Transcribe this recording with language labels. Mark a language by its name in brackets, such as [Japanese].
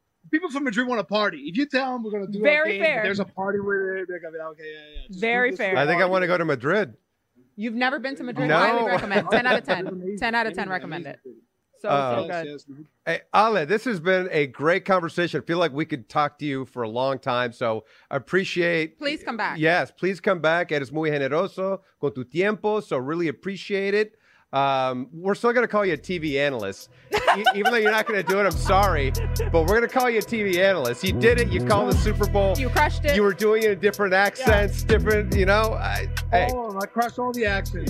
[English] People from Madrid want to party. If you tell them we're going to do a game, there's a party with it, they're going to be like, okay, yeah, yeah. Very fair. I think I want to go to Madrid. You've never been to Madrid? No. I highly recommend. 10 out of 10. 10 out of 10 recommend it. So good. Yes, yes. Hey, Ale, this has been a great conversation. I feel like we could talk to you for a long time. So I appreciate. Please come back. Yes, please come back. [Spanish] Eres muy generoso con tu tiempo. [English] So really appreciate it. We're still going to call you a TV analyst. Even though you're not going to do it, I'm sorry. But we're going to call you a TV analyst. You did it. You called the Super Bowl. You crushed it. You were doing it in different accents, different, you know. Hey. Oh, I crushed all the accents.